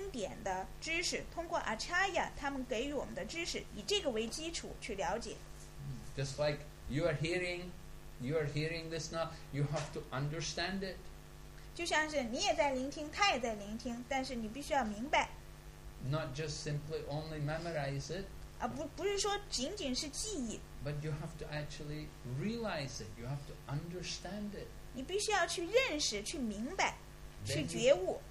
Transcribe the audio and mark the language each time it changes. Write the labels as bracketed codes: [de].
[zh] 我们必须要通过这个经典的知识，通过 acharya 他们给予我们的知识，以这个为基础去了解。 [en] Just like you are hearing this now, you have to understand it. [zh] 就像是你也在聆听，他也在聆听，但是你必须要明白。 [en] Not just simply only memorize it. [zh] 啊，不是说仅仅是记忆。 [en] But you have to actually realize it. You have to understand it. [zh] 你必须要去认识，去明白，去觉悟。